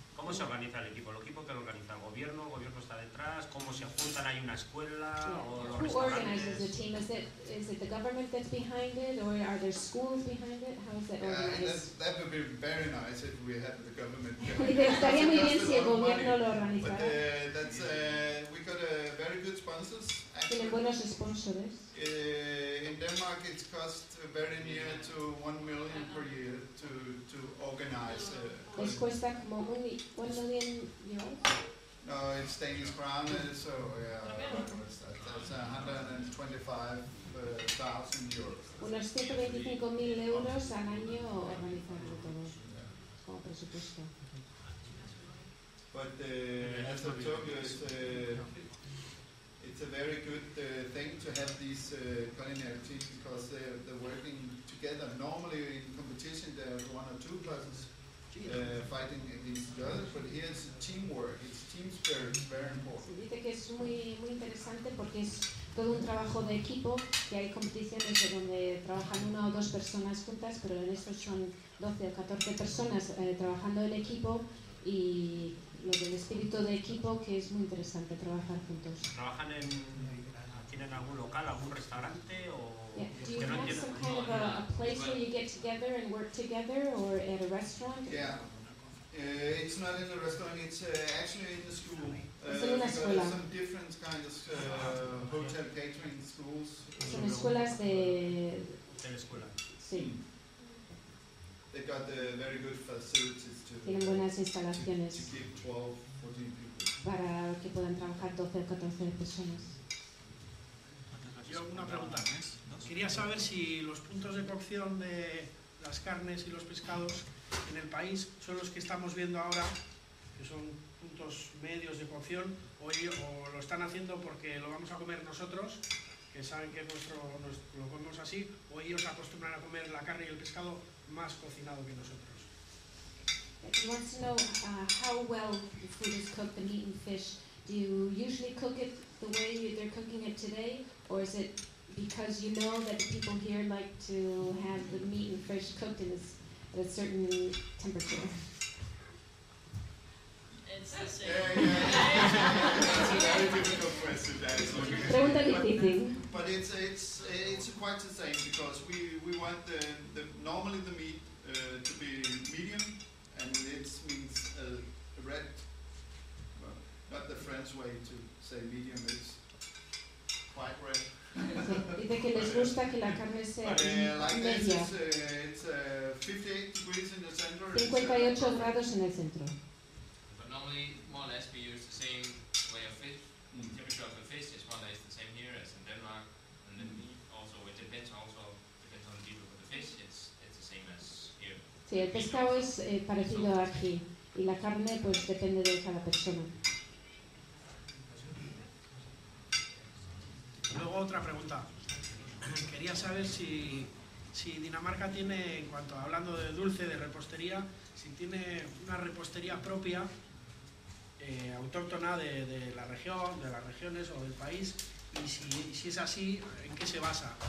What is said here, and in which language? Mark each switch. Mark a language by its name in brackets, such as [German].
[Spanish] ¿Cómo se organiza el equipo? ¿El equipo que lo organiza el gobierno? ¿El gobierno está detrás? ¿Cómo se juntan? ¿Hay una escuela o los restaurantes? [English] Who organizes the team? Is it the government that's behind it, or are there schools behind it? How is that organized? That would be very nice if we had the government. [Spanish] Estaría muy bien si el gobierno lo organizara. [English] But that's we got a very good sponsors. [Spanish] Tienen buenos sponsors. [English] In Denmark, it's cost very near to 1 million per year to organize. [Spanish] ¿Les cuesta como un millón? [English] No, it's Danish crown, so that's 125,000 euros. [Spanish] Unos 125,000 euros al año organizando todo como presupuesto. [English] But as of Tokyo, it's a very good thing to have these culinary teams because they're working together. Normally in competition there are one or two persons fighting against each other, but here it's teamwork, it's team spirit, it's very important. [Spanish] Se dice que es muy, muy interesante porque es todo un trabajo de equipo, que hay competiciones donde trabajan una o dos personas juntas, pero en estos son 12 o 14 personas trabajando en equipo y lo del espíritu de equipo, que es muy interesante trabajar juntos. ¿Trabajan en, tienen algún local, algún restaurante o [English] a place where you get together and work together or at a restaurant? It's not in the restaurant, it's actually in the school. [Spanish] Es en una escuela. [English] Some different kind of hotel catering schools. [Spanish] Son escuelas de escuela. Sí. [English] They got the very good facilities to [Spanish] tienen buenas instalaciones [English] to give 12, 14 people. [Spanish] Para que puedan trabajar 12 o 14 personas. Yo una pregunta, quería saber si los puntos de cocción de las carnes y los pescados en el país son los que estamos viendo ahora, que son puntos medios de cocción, o lo están haciendo porque lo vamos a comer nosotros, que saben que nuestro lo comemos así, o ellos acostumbran a comer la carne y el pescado más cocinado que nosotros. [English] He wants to know how well the food is cooked, the meat and fish. Do you usually cook it the way they're cooking it today, or is it because you know that the people here like to have the meat and fish cooked in a certain temperature? It's the same. That's a very difficult question. But it's quite the same because we want the normally the meat to be medium, and it means red. Well, not the French way to say medium, it's quite red. [Spanish] Dice que les gusta que la carne sea media. 58 grados en el centro. [English] But normally, more or less, we use the same way of fish. The temperature of the fish is more or less the same here as in Denmark. And then also, it depends also depends on the deep of the fish. It's the same as here. [Spanish] Sí, el pescado es parecido aquí y la carne pues depende de cada persona. Luego otra pregunta. Quería saber si Dinamarca tiene, en cuanto hablando de dulce, de repostería, si tiene una repostería propia, autóctona de la región, de las regiones o del país, y si es así, ¿en qué se basa?